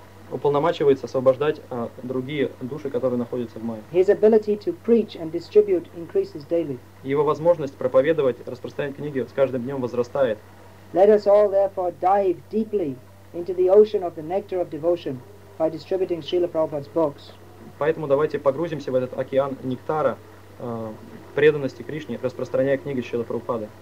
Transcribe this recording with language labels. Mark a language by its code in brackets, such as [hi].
[ru] Уполномачивается освобождать другие души, которые находятся в Майе. [en] His ability to preach and distribute increases daily. [ru] Его возможность проповедовать, распространять книги с каждым днем возрастает. [en] Let us all therefore dive deeply into the ocean of the nectar of devotion by distributing Srila Prabhupada's books. [ru] Поэтому давайте погрузимся в этот океан нектара преданности Кришне, распространяя книги Шрилы Прабхупады.